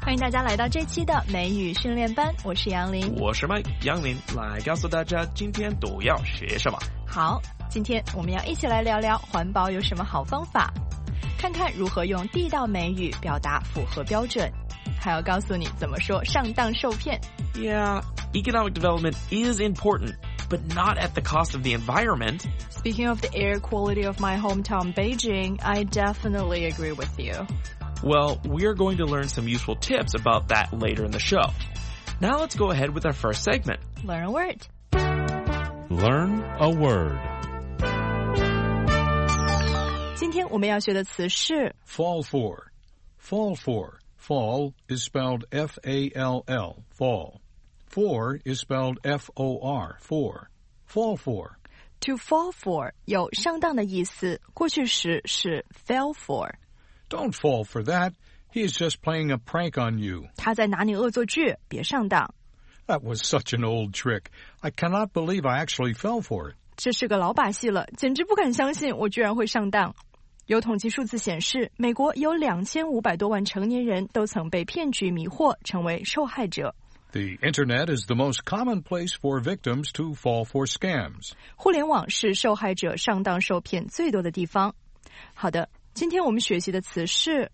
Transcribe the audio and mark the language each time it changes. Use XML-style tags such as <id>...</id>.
<zh>家来到这期的美语训练班，我是杨林，我是麦杨林，来告诉大家今天都要学什么。好，今天我们要一起来聊聊环保有什么好方法，看看如何用地道美语表达符合标准，还要告诉你怎么说上当受骗。</zh> <en>Yeah, economic development is important, but not at the cost of the environment. Speaking of the air quality of my hometown Beijing, I definitely agree with you. Well, we're going to learn some useful tips about that later in the show. Now let's go ahead with our first segment. Learn a word. Learn a word.</en> <zh>今天我们要学的词是</zh> <en>Fall for. Fall for. Fall is spelled F-A-L-L, fall. For is spelled F-O-R, for. Fall for.</en> <zh>To fall for 有上当的意思，过去时是 fell for.</zh> <en>Don't fall for that. He is just playing a prank on you.</en> <zh>他在拿你恶作剧，别上当。</zh> <en>That was such an old trick. I cannot believe I actually fell for it.</en> <zh>这是个老把戏了，简直不敢相信我居然会上当。有统计数字显示，美国有2500多万成年人都曾被骗局迷惑，成为受害者。</zh> <en>The internet is the most common place for victims to fall for scams.</en> <zh>互联网是受害者上当受骗最多的地方。好的，今天我们学习的词是</zh>